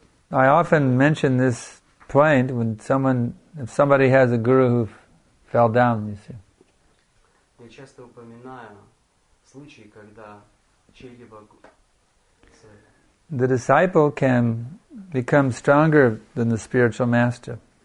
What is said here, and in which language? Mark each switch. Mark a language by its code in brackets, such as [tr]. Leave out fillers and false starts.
[en] I often mention this point when somebody has a guru who fell down, you see. [ru] Я часто упоминаю случаи, когда чей-либо [en] The disciple can become stronger than the spiritual master.